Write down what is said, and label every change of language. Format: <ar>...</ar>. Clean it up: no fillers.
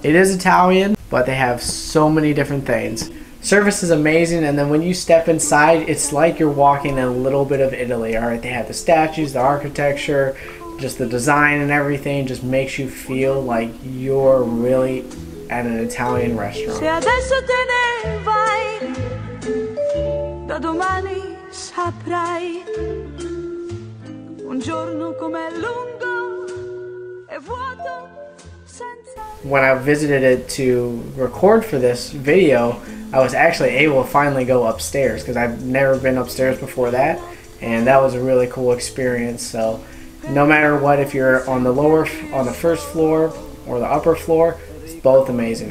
<en>It is Italian, but they have so many different things. Service is amazing, and then when you step inside, it's like you're walking in a little bit of Italy, all right? They have the statues, the architecture, just the design and everything just makes you feel like you're really at an Italian restaurant.</en> <it>Se adesso te ne vai, da domani saprai, un giorno com'è lungo e vuoto senza...</it> <en>When I visited it to record for this video, I was actually able to finally go upstairs because I've never been upstairs before that, and that was a really cool experience. So no matter what, if you're on the lower, on the first floor or the upper floor, it's both amazing.</en>